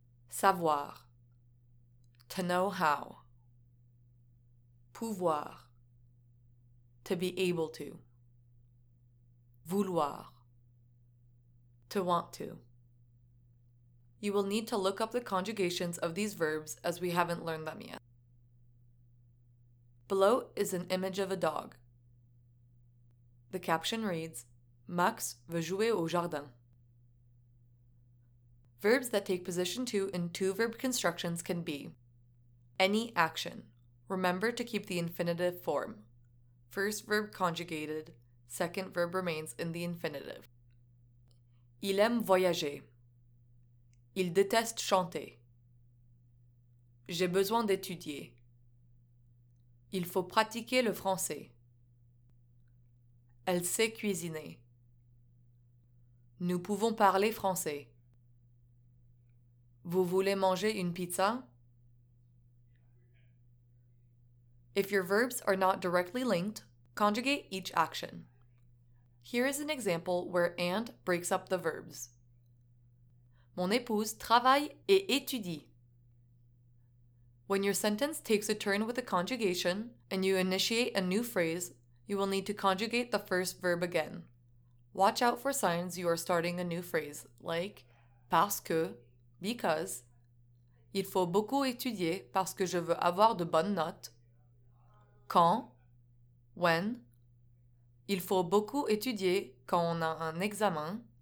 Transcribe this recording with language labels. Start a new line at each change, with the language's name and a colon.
English: Savoir, to know how. Pouvoir, to be able to. Vouloir, to want to. You will need to look up the conjugations of these verbs as we haven't learned them yet. Below is an image of a dog. The caption reads,
French: Max veut jouer au jardin.
English: Verbs that take position two in two verb constructions can be any action. Remember to keep the infinitive form. First verb conjugated, second verb remains in the infinitive.
French: Il aime voyager. Il déteste chanter. J'ai besoin d'étudier. Il faut pratiquer le français. Elle sait cuisiner. Nous pouvons parler français. Vous voulez manger une pizza?
English: If your verbs are not directly linked, conjugate each action. Here is an example where and breaks up the verbs.
French: Mon épouse travaille et étudie.
English: When your sentence takes a turn with a conjugation and you initiate a new phrase, you will need to conjugate the first verb again. Watch out for signs you are starting a new phrase, like
French: parce que, because, il faut beaucoup étudier parce que je veux avoir de bonnes notes, quand, when, il faut beaucoup étudier quand on a un examen,